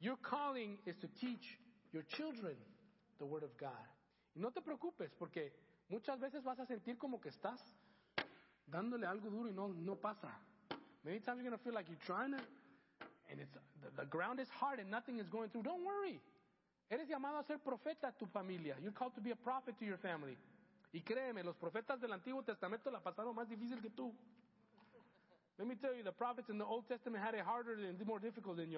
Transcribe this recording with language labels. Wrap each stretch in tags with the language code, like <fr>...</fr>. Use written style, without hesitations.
<en>Your calling is to teach your children the word of God.</en> <es>Y no te preocupes, porque muchas veces vas a sentir como que estás dándole algo duro y no pasa.</es> <en>Many times you're going to feel like you're trying to, and it's the ground is hard and nothing is going through. Don't worry.</en> <es>Eres llamado a ser profeta a tu familia.</es> <en>You're called to be a prophet to your family.</en> <es>Y créeme, los profetas del Antiguo Testamento la pasaron más difícil que tú.</es> <en>Let me tell you, the prophets in the Old Testament had it harder and more difficult than you.</en>